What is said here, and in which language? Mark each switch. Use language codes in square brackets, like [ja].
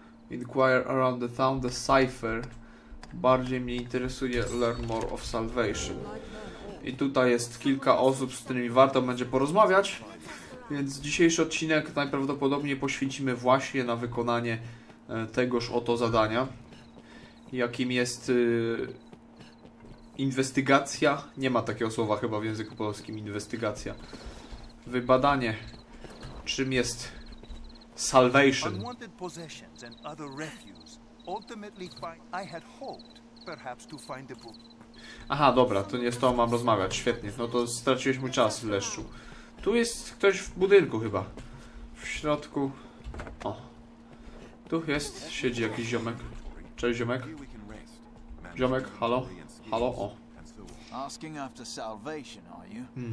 [en] Inquire around the town, the cipher. [pl] Bardziej mnie interesuje [en] Learn more of salvation. [pl] I tutaj jest kilka osób, z którymi warto będzie porozmawiać. Więc dzisiejszy odcinek najprawdopodobniej poświęcimy właśnie na wykonanie tegoż oto zadania, jakim jest inwestygacja, nie ma takiego słowa chyba w języku polskim, inwestygacja, wybadanie, czym jest salvation. [en] Unwanted possessions and other refuse. Ultimately, I had hoped perhaps to find the book. [pl] Aha, dobra, to nie z tobą mam rozmawiać, świetnie, no to straciłeś mój czas, Leszczu. Tu jest ktoś w budynku chyba, w środku, o. Tu jest, siedzi jakiś ziomek. Cześć, ziomek. Ziomek, halo? Halo, o. [en] Asking after salvation, are you?